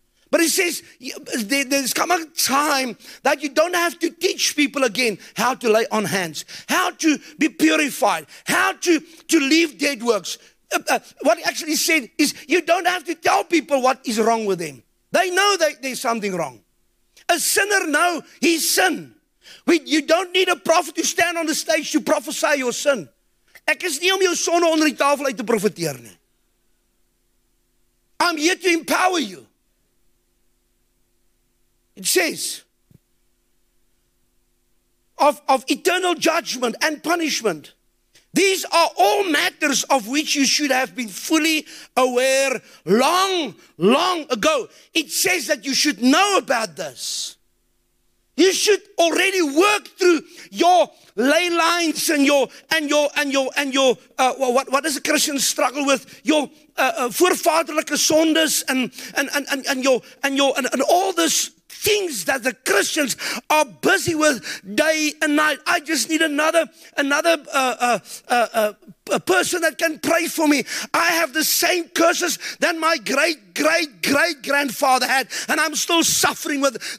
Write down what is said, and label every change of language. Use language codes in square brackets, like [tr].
[en] But he says, there's come a time that you don't have to teach people again how to lay on hands, how to be purified, how to leave dead works. What he actually said is you don't have to tell people what is wrong with them. They know that there's something wrong. A sinner knows his sin. You don't need a prophet to stand on the stage to prophesy your sin. [af] Ek is nie om jou sonde onder die tafel uit te profeteer nie. [en] I'm here to empower you. It says, of eternal judgment and punishment. These are all matters of which you should have been fully aware long, long ago. It says that you should know about this. You should already work through your ley lines and your does a Christian struggle with? Your [af] voorvaderlijke zondes [en] and all this. Things that the Christians are busy with day and night. I just need another person that can pray for me. I have the same curses that my great, great, great grandfather had, and I'm still suffering with.